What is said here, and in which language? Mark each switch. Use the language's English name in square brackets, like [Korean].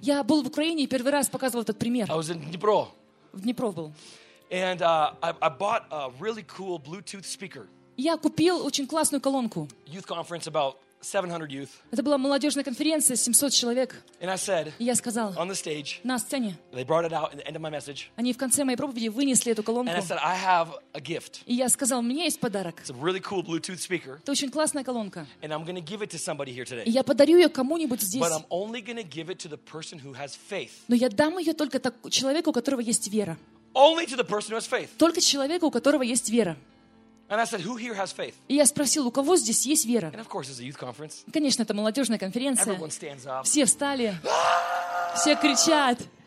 [Russian] Я был в Украине и первый раз показывал этот пример. [English] I was in Dnipro. [Russian] В Днепро был. [English] And I bought a really cool Bluetooth speaker. [Russian] Я купил очень классную колонку. [English] Youth conference about 700 youth. [Russian] Это была молодежная конференция, 700 человек. [English] And I said, [Russian] и я сказал, [English] on the stage, [Russian] на сцене, [English] they brought it out at the end of my message. [Russian] Они в конце моей проповеди вынесли эту колонку. [English] And I said, I have a gift. [Russian] И я сказал, у меня есть подарок. [English] It's a really cool Bluetooth speaker. [Russian] Это очень классная колонка. [English] And I'm gonna give it to somebody here today. [Russian] И я подарю ее кому-нибудь здесь. [English] But I'm only gonna give it to the person who has faith. [Russian] Но я дам ее только человеку, у которого есть вера. [English] Only to the person who has faith. [Russian] Только человеку, у которого есть вера. [English] And I said, who here has faith? [Russian] И я спросил, у кого здесь есть вера? [English] And of course, it's a youth conference. [Russian] Конечно, это молодежная конференция. [English] Everyone stands up. [Russian] Все встали. Все кричат.